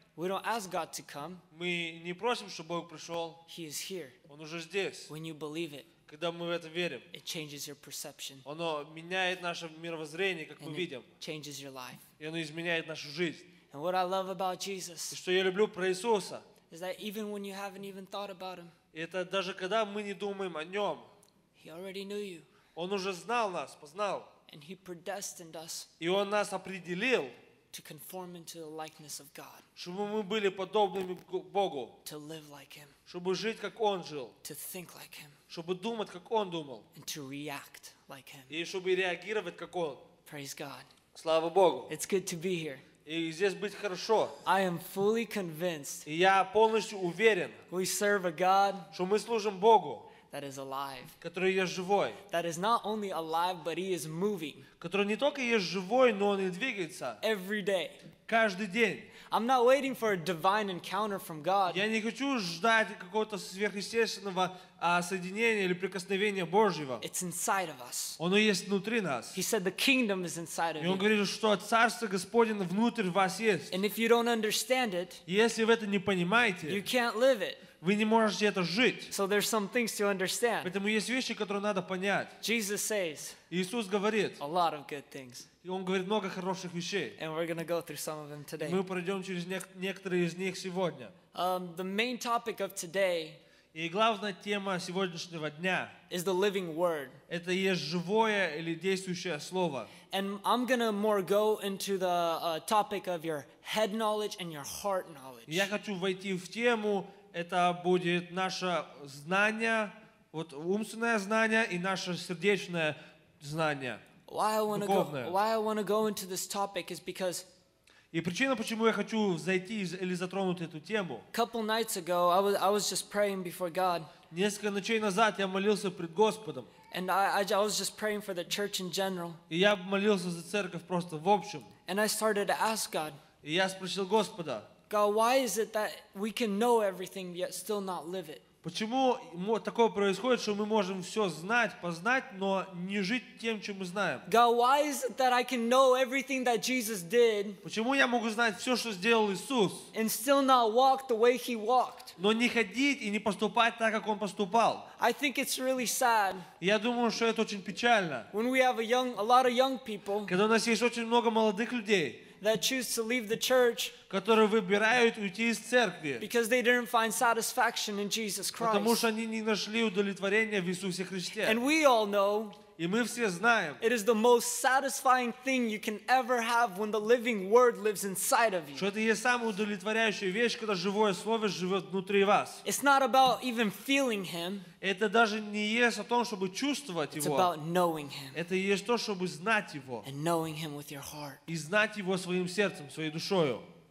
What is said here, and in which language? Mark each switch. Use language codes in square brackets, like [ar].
[en] We don't ask God to come. [ru] Мы не просим, чтобы Бог пришел. [en] He is here. [ru] Он уже здесь. [en] When you believe it. [ru] Когда мы в это верим. [en] It changes your perception. [ru] Оно меняет наше мировоззрение, как мы видим. [en] It changes your life. [ru] И оно изменяет нашу жизнь. [en] And what I love about Jesus [ru] что я люблю про Иисуса, [en] is that even when you haven't even thought about Him, [ru] это даже когда мы не думаем о Нем, [en] He already knew you. [ru] Он уже знал нас, познал. [en] And He predestined us [ru] и Он нас определил [en] to conform into the likeness of God, [ru] чтобы мы были подобными Богу, [en] to live like Him, [ru] чтобы жить, как Он жил, [en] to think like Him, [ru] чтобы думать, как Он думал, [en] and to react like Him. [ru] И чтобы реагировать, как Он. [en] Praise God. [ru] Слава Богу. [en] It's good to be here. [ru] И здесь быть хорошо. [en] I am fully convinced. [ru] И я полностью уверен. [en] We serve a God. [ru] Что мы служим Богу. [en] That is alive. [ru] Который есть живой. [en] That is not only alive, but He is moving. [ru] Который не только есть живой, но Он и двигается. [en] Every day. [ru] Каждый день. [en] I'm not waiting for a divine encounter from God. [ru] Я не хочу ждать какого-то сверхъестественного соединения или прикосновения Божьего. [en] It's inside of us. [ru] Оно есть внутри нас. [en] He said the kingdom is inside of you. [ru] И Он говорит, что Царство Господне внутрь вас есть. [en] And if you don't understand it, [ru] если вы это не понимаете, [en] you can't live it. [ru] Вы не можете это жить. [en] So there's some things to understand. [ru] Поэтому есть вещи, которые надо понять. [en] Jesus says, [ru] Иисус говорит, [en] a lot of good things. [ru] И Он говорит много хороших вещей. [en] And we're gonna go through some of them today. [ru] Мы пройдем через некоторые из них сегодня. [en] The main topic of today [ru] и главная тема сегодняшнего дня [en] is the living word. [ru] Это есть живое или действующее слово. [en] And I'm gonna more go into the topic of your head knowledge and your heart knowledge. [ru] Я хочу войти в тему. Это будет наше знание, вот умственное знание и наше сердечное знание. [en] Why I want to go into this topic is because. [ru] И причина, почему я хочу зайти или затронуть эту тему. [en] Couple nights ago, I was just praying before God. [ru] Несколько ночей назад я молился пред Господом. [en] And I was just praying for the church in general. [ru] И я молился за церковь просто в общем. [en] And I started to ask God. [ru] И я спросил Господа. [en] God, why is it that we can know everything yet still not live it? [ru] Почему такое происходит, что мы можем все знать, познать, но не жить тем, чем мы знаем? [en] God, why is it that I can know everything that Jesus did? [ru] Почему я могу знать все, что сделал Иисус? [en] And still not walk the way He walked? [ru] Но не ходить и не поступать так, как Он поступал? [en] I think it's really sad. [ru] Я думаю, что это очень печально. [en] When we have a lot of young people. [ru] Когда у нас есть очень много молодых людей. [en] That choose to leave the church, [ru] которые выбирают уйти из церкви, [en] because they didn't find satisfaction in Jesus Christ, [ru] потому что они не нашли удовлетворения в Иисусе Христе, [en] and we all know, [ru] И мы все знаем. [en] It is the most satisfying thing you can ever have when the living word lives inside of you. [ru] Что это есть самая удовлетворяющая вещь, когда живое слово живет внутри вас. [en] It's not about even feeling him. [ru] Это даже не есть о том, чтобы чувствовать его. [en] It's about knowing him. [ru] Это есть то, чтобы знать его. [en] And knowing him with your heart. [ru] И знать его своим сердцем, своей душою.